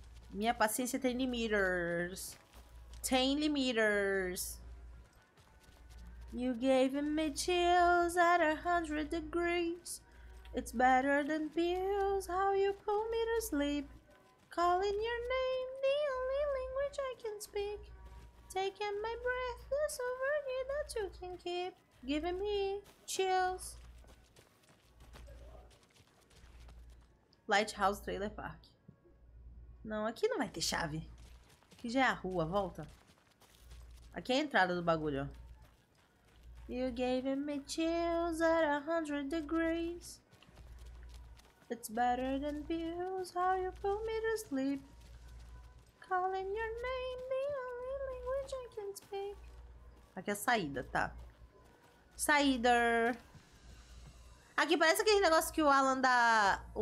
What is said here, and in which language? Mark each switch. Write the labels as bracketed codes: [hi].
[pt] Minha paciência tem limiters. Tem limiters. [en] You gave me chills at 100 degrees. It's better than pills, how you pull me to sleep. Calling your name, the only language I can speak. Taking my breath, the sovereignty over here that you can keep. Giving me chills. Lighthouse Trailer Park. [pt] Não, aqui não vai ter chave. Aqui já é a rua, volta. Aqui é a entrada do bagulho. [en] You gave me chills at 100 degrees. It's better than pills, how you put me to sleep. Calling your name, the only language I can speak. [pt] Aqui é a saída, tá. Saída. Aqui parece aquele negócio que o Alan dá.